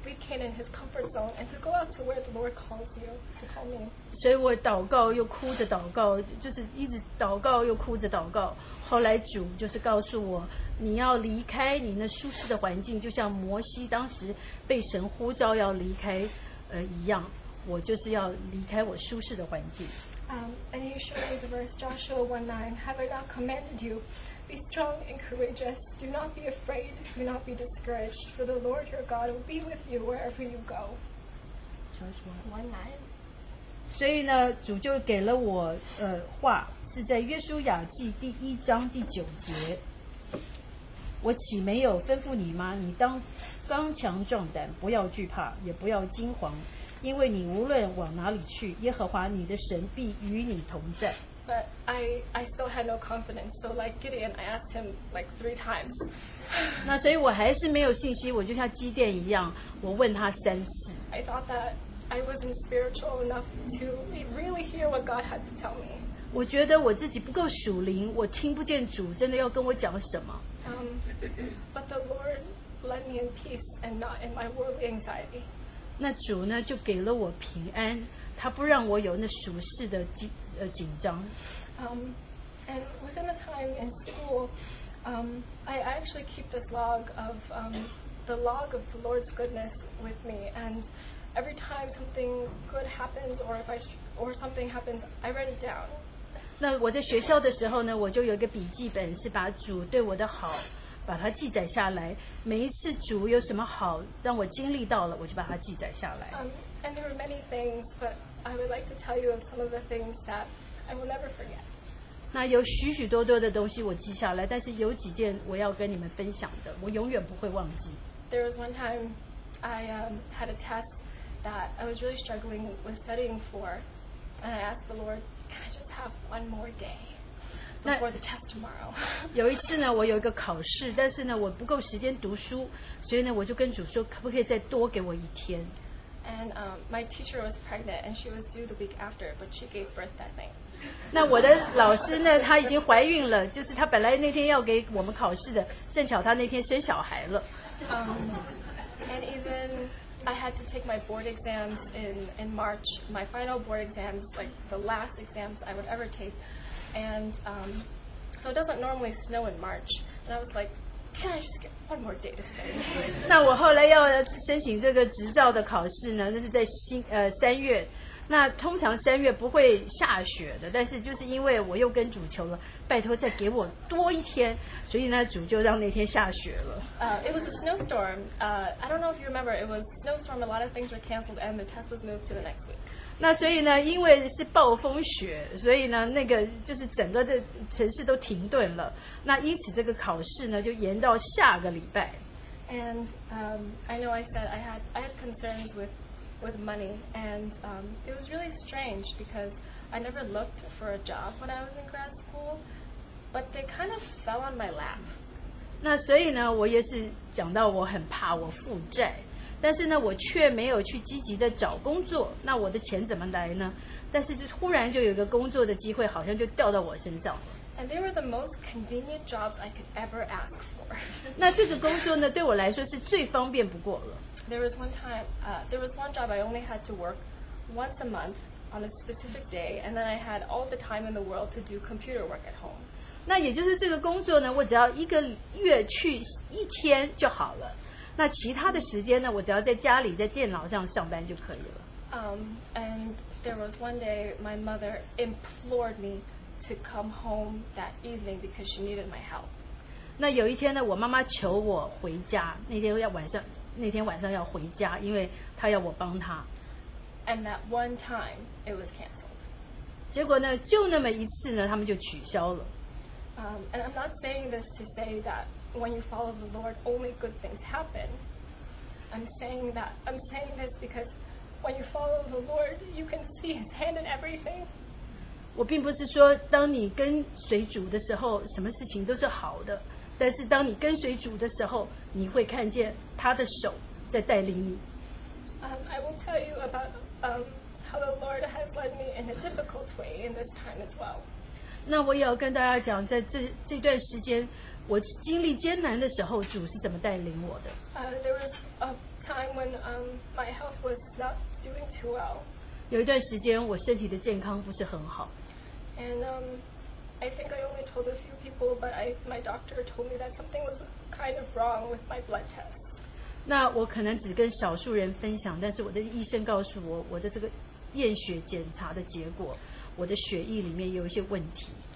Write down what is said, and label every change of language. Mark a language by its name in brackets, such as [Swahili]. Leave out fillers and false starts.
[English] Canaan, his comfort zone, and to go out to where the Lord calls you to call me. [Chinese] 所以我祷告又哭着祷告，就是一直祷告又哭着祷告。后来主就是告诉我，你要离开你那舒适的环境，就像摩西当时被神呼召要离开一样，我就是要离开我舒适的环境。 [English] And you showed me the verse Joshua 1:9. Have I not commanded you? Be strong and courageous. Do not be afraid. Do not be discouraged. For the Lord your God will be with you wherever you go. Joshua 1:9. [Chinese] 所以呢，主就给了我话，是在约书亚记第一章第九节。我岂没有吩咐你吗？你当刚强壮胆，不要惧怕，也不要惊慌。因为你无论往哪里去，耶和华你的神必与你同在。 [English] But I still had no confidence. So like Gideon, I asked him like 3 times. [Chinese] 那所以我还是没有信心，我就像基甸一样，我问他三次。 [English] I thought that I wasn't spiritual enough to really hear what God had to tell me. [Chinese] 我觉得我自己不够属灵，我听不见主真的要跟我讲什么。 [English] But the Lord led me in peace and not in my worldly anxiety. [Chinese] 那主呢就给了我平安，他不让我有那属世的紧张。 [English] And within the time in school, I actually keep this log of the log of the Lord's goodness with me. And every time something good happens, or something happens, I write it down. [Chinese] 那我在学校的时候呢，我就有一个笔记本，是把主对我的好，把它记载下来。每一次主有什么好让我经历到了，我就把它记载下来。 [English] And there were many things, but I would like to tell you of some of the things that I will never forget. [Chinese] 那有许许多多的东西我记下来，但是有几件我要跟你们分享的，我永远不会忘记。 [English] There was one time I had a test that I was really struggling with studying for, and I asked the Lord, "Can I just have one more day?" Before the test tomorrow. [Chinese] 有一次呢，我有一个考试，但是呢，我不够时间读书，所以呢，我就跟主说，可不可以再多给我一天？ [English] And my teacher was pregnant, and she was due the week after, but she gave birth that night. [Chinese] 那我的老师呢？她已经怀孕了，就是她本来那天要给我们考试的，正巧她那天生小孩了。 [English] And even I had to take my board exams in March, my final board exams, like the last exams I would ever take. And so it doesn't normally snow in March, and I was like. Can I just get one more day to study? [Chinese] 那我后来要申请这个执照的考试呢，那是在三月。那通常三月不会下雪的，但是就是因为我又跟主求了，拜托再给我多一天，所以呢，主就让那天下雪了。 [English] It was a snowstorm. I don't know if you remember. It was a snowstorm. A lot of things were canceled, and the test was moved to the next week. [Chinese] 那所以呢，因为是暴风雪，所以呢，那个就是整个的城市都停顿了。那因此这个考试呢，就延到下个礼拜。 [English] And I know I said I had concerns with money, and it was really strange because I never looked for a job when I was in grad school, but they kind of fell on my lap. [Chinese] 那所以呢，我也是讲到我很怕我负债，但是呢，我却没有去积极的找工作，那我的钱怎么来呢？但是就忽然就有一个工作的机会，好像就掉到我身上了。 [English] And they were the most convenient jobs I could ever ask for. [Chinese] 那这个工作呢，对我来说是最方便不过了。 [English] There was one time, there was one job I only had to work once a month on a specific day, and then I had all the time in the world to do computer work at home. [Chinese] 那也就是这个工作呢，我只要一个月去一天就好了。那其他的时间呢，我只要在家里在电脑上上班就可以了。 [English] And there was one day my mother implored me to come home that evening because she needed my help. [Chinese] 那有一天呢，我妈妈求我回家，那天晚上要回家，因为她要我帮她。 [English] And that one time it was canceled. [Chinese] 结果呢，就那么一次呢，他们就取消了。 [English] And I'm not saying this to say that when you follow the Lord, only good things happen. I'm saying this because when you follow the Lord, you can see His hand in everything. [Chinese] 我并不是说当你跟随主的时候，什么事情都是好的。但是当你跟随主的时候，你会看见他的手在带领你。 [English] I will tell you about how the Lord has led me in a difficult way in this time as well. [Chinese] 那我也要跟大家讲，在 这段时间，我经历艰难的时候，主是怎么带领我的。 [English] There was a time when my health was not doing too well. [Chinese] 有一段时间，我身体的健康不是很好。 [English] And I think I only told a few people, but my doctor told me that something was kind of wrong with my blood test. [Chinese] 那我可能只跟少数人分享，但是我的医生告诉我，我的这个验血检查的结果，我的血液里面有一些问题。